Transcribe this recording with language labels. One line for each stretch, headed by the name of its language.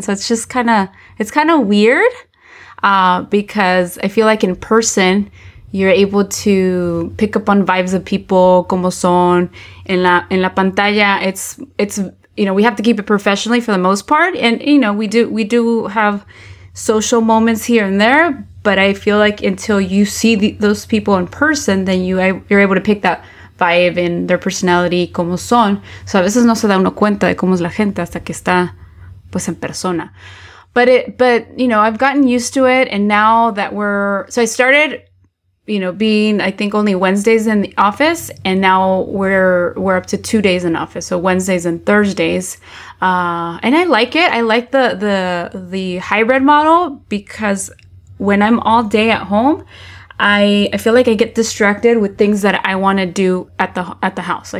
English: So it's kind of weird because I feel like in person, you're able to pick up on vibes of people,
Spanish: como son, en la pantalla.
English: It's, you know, we have to keep it professionally for the most part. And, you know, we do have social moments here and there, but I feel like until you see those people in person, then you're able to pick that vibe and their personality,
Spanish: como son. So a veces no se da uno cuenta de cómo es la gente hasta que está, pues, en persona.
English: But, you know, I've gotten used to it. And now that I started, you know, being, I think, only Wednesdays in the office, and now we're up to 2 days in office, so Wednesdays and Thursdays. And I like it. I like the hybrid model, because when I'm all day at home, I feel like I get distracted with things that I want to do at the house.